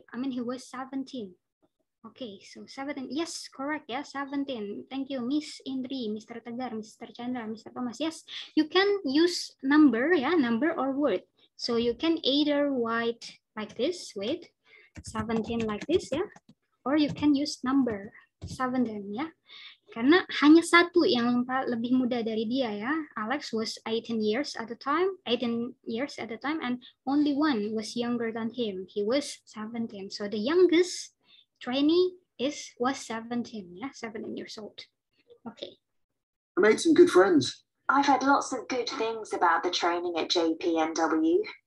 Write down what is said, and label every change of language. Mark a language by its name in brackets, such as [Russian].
[English] I mean, he was 17. Okay, so 17. Yes, correct, yeah, 17. Thank you, Miss Indri, Mr. Tegar, Mr. Chandra, Mr. Thomas. Yes, you can use number, yeah, number or word. So you can either write like this, wait, 17 like this, yeah? Or you can use number, 17, yeah? [Indonesian] Karena hanya satu yang lebih muda dari dia ya. [English] Alex was 18 years at the time, 18 years at the time, and only one was younger than him. He was 17. So the youngest trainee was 17, yeah, 17 years old. Okay. I made some good friends. I've heard lots of good things about the training at JPNW.